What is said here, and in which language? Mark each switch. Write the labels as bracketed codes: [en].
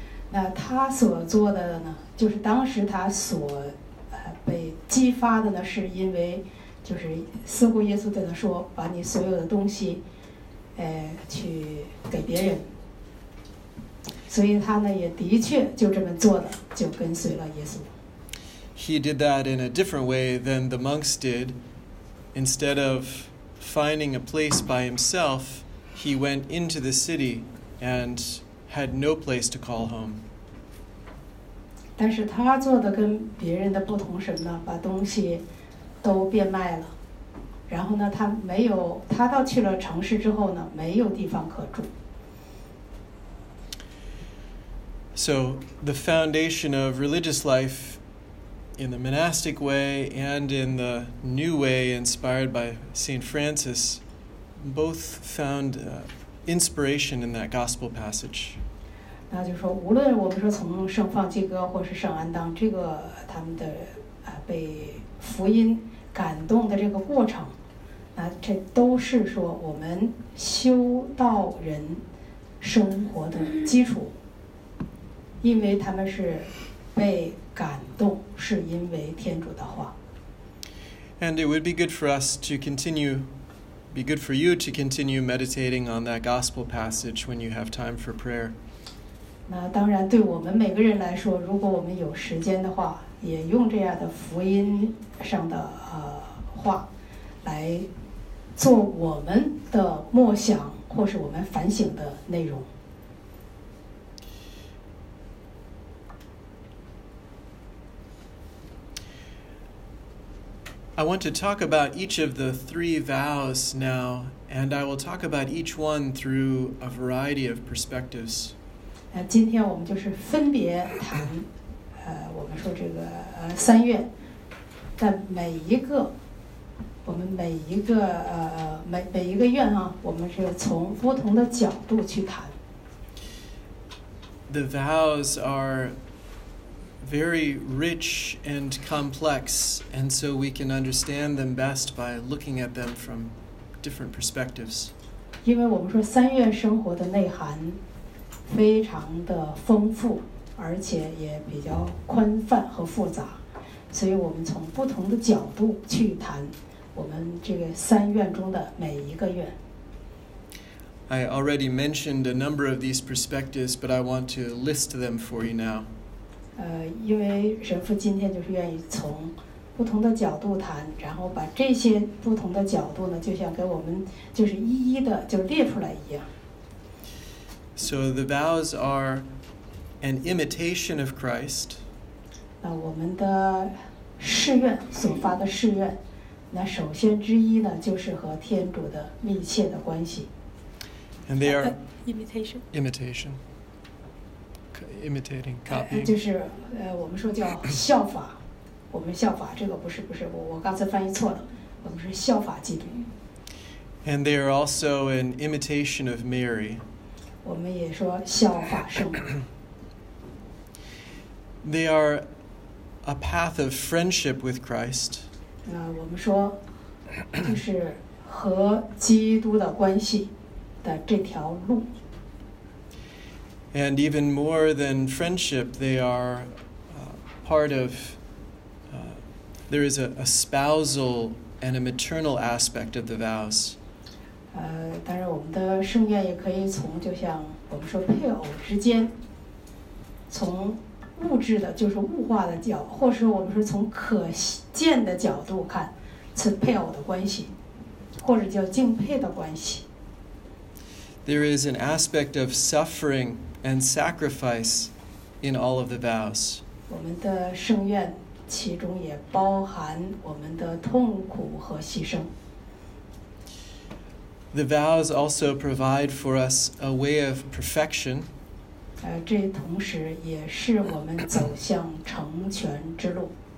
[zh] 那他所做的呢，就是当时他所被激发的呢，是因为就是似乎耶稣对他说，把你所有的东西，去给别人。所以他呢，也的确就这么做了，就跟随了耶稣。 [en] He did that in a different way than the monks did. Instead of finding a place by himself, he went into the city and had no place to call home. [zh] 但是他做的跟别人的不同什么呢？把东西都变卖了，然后呢，他没有，他到去了城市之后呢，没有地方可住。 [en] So the foundation of religious life in the monastic way and in the new way inspired by Saint Francis both found inspiration in that gospel passage. [zh] 那就说，无论我们说从圣方济各或是圣安当，这个他们的被福音感动的这个过程，那这都是说我们修道人生活的基础。因为他们是被感动，是因为天主的话。 [en] And it would be good for us to continue, be good for you to continue meditating on that gospel passage when you have time for prayer. [zh] 那当然，对我们每个人来说，如果我们有时间的话，也用这样的福音上的话来做我们的默想或是我们反省的内容。 [en] I want to talk about each of the three vows now, and I will talk about each one through a variety of perspectives. [zh] 今天我们就是分别谈，我们说这个三愿，但每一个，我们每一个每一个愿啊，我们是从不同的角度去谈。 [en] The vows are. Very rich and complex, and so we can understand them best by looking at them from different perspectives. [zh] 因为我们说三愿生活的内涵非常的丰富，而且也比较宽泛和复杂，所以我们从不同的角度去谈我们这个三愿中的每一个愿。 [en] I already mentioned a number of these perspectives, but I want to list them for you now. [zh] 因为神父今天就是愿意从不同的角度谈，然后把这些不同的角度呢，就像给我们就是一一的就列出来一样。 [en] So the vows are an imitation of Christ. [zh] 那我们的誓愿，所发的誓愿，那首先之一呢，就是和天主的密切的关系。 [en] And they are imitation. Imitation. Imitating, copying. [zh] 就是我们说叫效法，我们效法这个不是，我刚才翻译错了，我们是效法基督。 [en] And they are also an imitation of Mary. [zh] 我们也说效法圣母。 [en] They are a path of friendship with Christ. [zh] 我们说就是和基督的关系的这条路。 [en] And even more than friendship, they are part of, there is a spousal and a maternal aspect of the vows. [zh] 当然我们的圣愿也可以从就像我们说配偶之间，从物质的就是物化的角度，或是我们说从可见的角度看，是配偶的关系，或者叫敬佩的关系。 [en] There is an aspect of suffering and sacrifice in all of the vows. [zh] 我们的圣愿其中也包含我们的痛苦和牺牲。 [en] The vows also provide for us a way of perfection. [zh] 这同时也是我们走向成全之路。